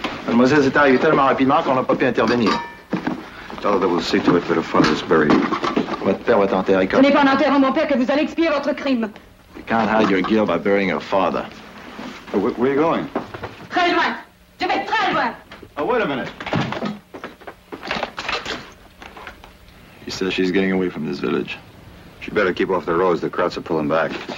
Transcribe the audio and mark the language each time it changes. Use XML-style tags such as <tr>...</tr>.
<fr>Mademoiselle, c'est arrivé tellement rapidement qu'on n'a pas pu intervenir.</fr> <en>Tell her that we'll see to it that her father is buried.</en> <fr>Votre père va t'enterrer comme... Ce n'est pas en enterrant mon père que vous allez expier votre crime.</fr> <en>You can't hide your guilt by burying her father. Where are you going?</en> <fr>Très loin. Je vais très loin.</fr> <en>Oh, wait a minute. Says she's getting away from this village. She better keep off the roads. The crowds are pulling back.</en>